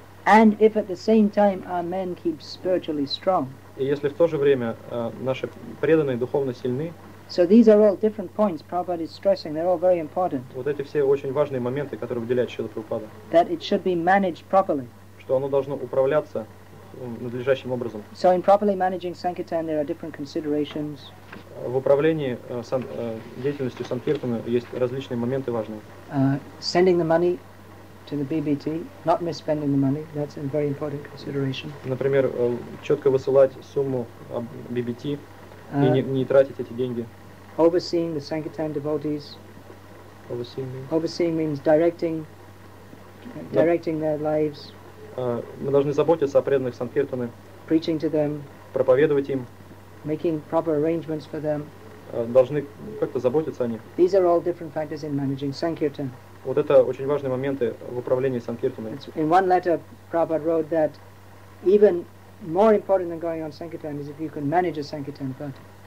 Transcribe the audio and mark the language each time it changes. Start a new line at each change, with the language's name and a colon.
English: And if at the same time our men keep spiritually strong.
Russian: И если в то же время наши преданные духовно сильны.
English: So these are all different points Prabhupada is stressing. They're all very important.
Russian: Вот эти все очень важные моменты, которые выделяет Шрила Прабхупада.
English: That it should be managed properly.
Russian: Что оно должно управляться надлежащим образом.
English: So in properly managing Sankirtan, there are different considerations.
Russian: В управлении деятельностью Санкиртана есть различные моменты важные.
English: Sending the money to the BBT, not misspending the money, that's a very important consideration.
Russian: Например, четко высылать сумму BBT и не тратить эти деньги.
English: Overseeing the Sankirtan devotees. Overseeing means directing their lives.
Russian: Мы должны заботиться о преданных Санкиртаны,
English: preaching to them,
Russian: проповедовать им,
English: making proper arrangements for them.
Russian: Должны как-то заботиться о них.
English: These are all different factors in managing Sankirtan.
Russian: Вот это очень важные моменты в управлении Санкиртаной.
English: In one letter, Prabhupada wrote that even more important than going on Sankirtan is if you can manage a Sankirtan party.